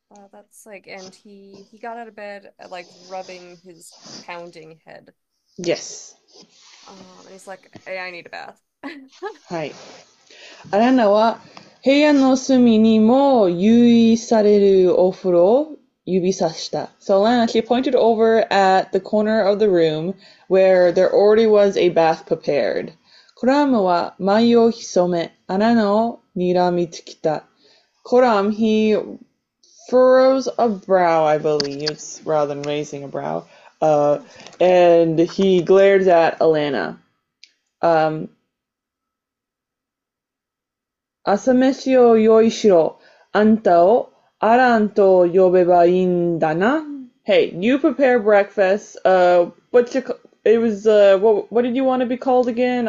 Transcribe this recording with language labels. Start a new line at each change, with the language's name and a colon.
English: That's like, and he got out of bed like rubbing his pounding head. Yes. And he's like, hey, I need a bath.
Japanese: はい。あなたは部屋の隅にも用意されるお風呂を指さした。 So Lana, she pointed over at the corner of the room where there already was a bath prepared. コラムは眉をひそめ、あなたをにらみつけた。
English: コラム、he furrows a brow, I believe, rather than raising a brow. And he glared at Alana.
Japanese: 朝飯を用意しろ。あんたをアランと呼べばいいんだな。
English: Hey, you prepare breakfast. What's your, it was, what did you want to be called again?